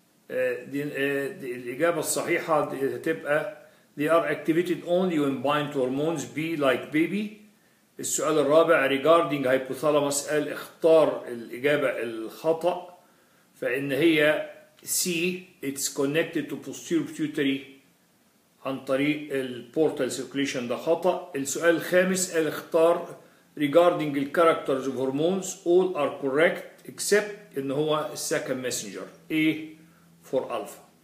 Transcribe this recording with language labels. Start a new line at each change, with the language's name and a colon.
Arabic: الإجابة الصحيحة هتبقى
English: they are activated only when bind to hormones B like baby.
Arabic: السؤال الرابع regarding hypothalamus قال اختار الإجابة الخطأ فإن هي C
English: it's connected to posterior pituitary
Arabic: عن طريق portal circulation ده خطأ. السؤال الخامس قال اختار
English: regarding the characters of hormones all are correct except ان هو second messenger A for alpha.